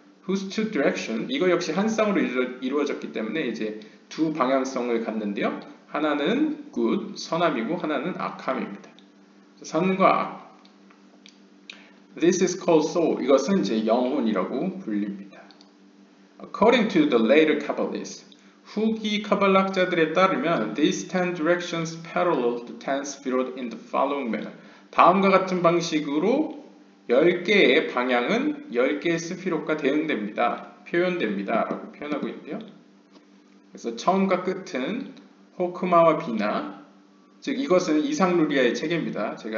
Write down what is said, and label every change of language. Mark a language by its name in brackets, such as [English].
[English] Whose two direction? [Korean] 이거 역시 한 쌍으로 이루어졌기 때문에 이제 두 방향성을 갖는데요. 하나는 good, 선함이고 하나는 악함입니다. [English] 선과 악. This is called soul. [Korean] 이것은 이제 영혼이라고 불립니다. [English] According to the later Kabbalists, 후기 카발락자들에 따르면 these ten directions parallel the ten spirit in the following manner. [Korean] 다음과 같은 방식으로 10개의 방향은 10개의 스피롯과 대응됩니다. 표현됩니다. 라고 표현하고 있는데요. 그래서 처음과 끝은 호크마와 비나, 즉 이것은 이상루리아의 체계입니다.